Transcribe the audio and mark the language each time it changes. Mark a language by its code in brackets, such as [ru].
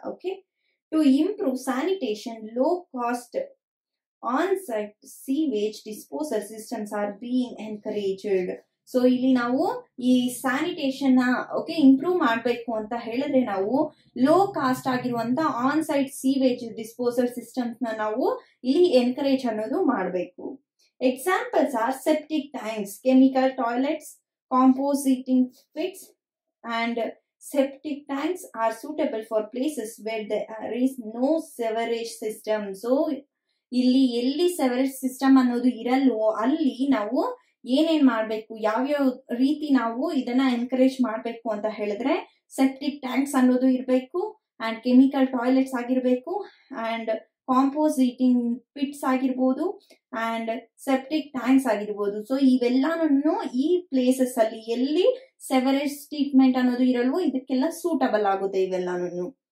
[en] Okay, to improve sanitation low cost on site sewage disposal systems are being encouraged. [kn] So ಇಲ್ಲಿ ನಾವು ಈ sanitation ನ okay improve ಮಾಡ್ಬೇಕು ಅಂತ ಹೇಳಿದ್ರೆ, ನಾವು ಲೋ ಕಾಸ್ಟ್ ಆಗಿರುವಂತ on site sewage disposal systems ನ ನಾವು ಇಲ್ಲಿ ಎನ್ಕರೇಜ್ ಅನ್ನೋದು ಮಾಡಬೇಕು. [en] Examples are septic tanks, chemical toilets, compositing pits, and septic tanks are suitable for places where there is no sewerage system. So, [kn] ಇಲ್ಲಿ ಎಲ್ಲಿ ಸೆವರೇಜ್ ಸಿಸ್ಟಮ್ ಅನ್ನೋದು ಇರಲ್ವೋ ಅಲ್ಲಿ ನಾವು ಏನೇನ್ ಮಾಡ್ಬೇಕು, ಯಾವ್ಯಾವ ರೀತಿ ನಾವು ಇದನ್ನ ಎನ್ಕರೇಜ್ ಮಾಡ್ಬೇಕು ಅಂತ ಹೇಳಿದ್ರೆ, ಸೆಪ್ಟಿಕ್ ಟ್ಯಾಂಕ್ಸ್ ಅನ್ನೋದು ಇರ್ಬೇಕು, ಅಂಡ್ ಕೆಮಿಕಲ್ ಟಾಯ್ಲೆಟ್ಸ್ ಆಗಿರ್ಬೇಕು, ಅಂಡ್ ಕಾಂಪೋಸಿಟಿಂಗ್ ಪಿಟ್ಸ್ ಆಗಿರ್ಬೋದು, ಅಂಡ್ ಸೆಪ್ಟಿಕ್ ಟ್ಯಾಂಕ್ಸ್ ಆಗಿರ್ಬೋದು. ಸೊ ಇವೆಲ್ಲಾನು ಈ ಪ್ಲೇಸಸ್ ಅಲ್ಲಿ ಎಲ್ಲಿ ಸೆವರೇಜ್ ಟ್ರೀಟ್ಮೆಂಟ್ ಅನ್ನೋದು ಇರಲ್ವೋ ಇದಕ್ಕೆಲ್ಲ ಸೂಟಬಲ್ ಆಗುತ್ತೆ ಇವೆಲ್ಲಾನು.